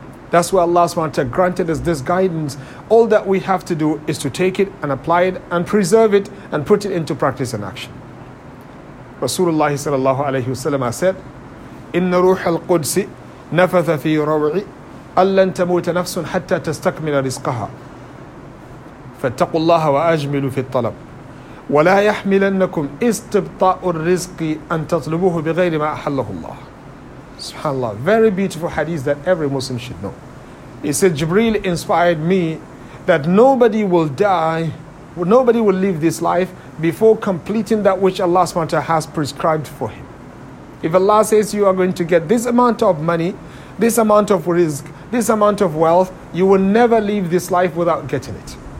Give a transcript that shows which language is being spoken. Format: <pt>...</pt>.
<en>That's why Allah subhanahu wa ta'ala granted us this guidance. All that we have to do is to take it and apply it and preserve it and put it into practice and action.</en> <ar>Rasulullah sallallahu alayhi wa sallam said, إِنَّ رُوحَ الْقُدْسِ نَفَثَ فِي رَوْعِ أَلَّن تَمُوتَ نَفْسٌ حَتَّى تَسْتَكْمِلَ رِزْقَهَا فَاتَّقُوا اللَّهَ وَأَجْمِلُوا فِي الطَّلَبِ وَلَا يَحْمِلَنَّكُمْ إِسْتِبْطَاءُ الرِّزْقِ أَن تَطْلُبُوهُ بِغَيْرِ مَا أَحَلَّهُ اللَّهُ.</ar> <en>SubhanAllah, very beautiful hadith that every Muslim should know. He said, Jibreel inspired me that nobody will die, nobody will live this life before completing that which Allah subhanahu wa ta'ala has prescribed for him. If Allah says you are going to get this amount of money, this amount of risk, this amount of wealth, you will never live this life without getting it.</en>